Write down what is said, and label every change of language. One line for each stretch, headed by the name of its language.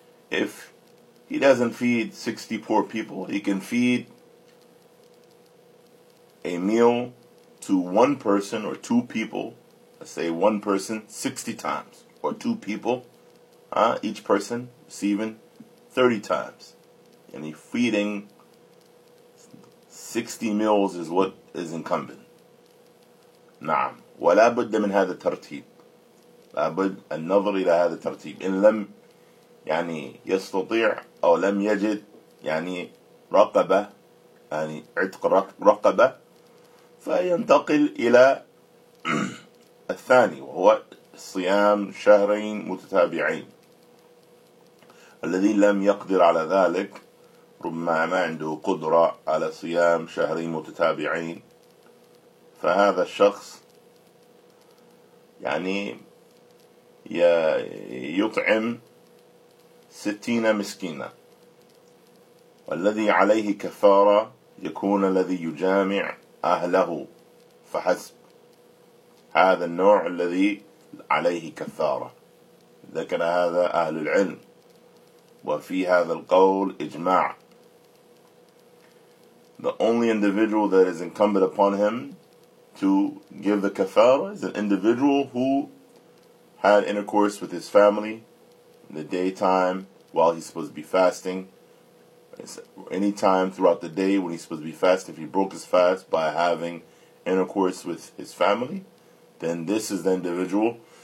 English: If he doesn't feed 60 poor people, he can feed a meal to one person or two people. Let's say one person 60 times, or two people, each person receiving 30 times. And he feeding 60 meals is what is incumbent.
Arabic: نعم. ولا بد من هذا الترتيب. لا بد النظر إلى هذا الترتيب. إن لم يعني يستطيع أو لم يجد يعني رقبة، يعني عتق رقبة، فينتقل إلى الثاني، وهو صيام شهرين متتابعين. الذي لم يقدر على ذلك، ربما ما عنده قدرة على صيام شهرين متتابعين، فهذا الشخص يعني يطعم 60 مسكينة. والذي عليه كفارة يكون الذي يجامع أهله فحسب. هذا النوع الذي عليه كفارة، ذكر هذا أهل العلم، وفي هذا القول إجماع.
English: The only individual that is incumbent upon him to give the kafara is an individual who had intercourse with his family in the daytime while he's supposed to be fasting. Any time throughout the day when he's supposed to be fasting, if he broke his fast by having intercourse with his family, then this is the individual.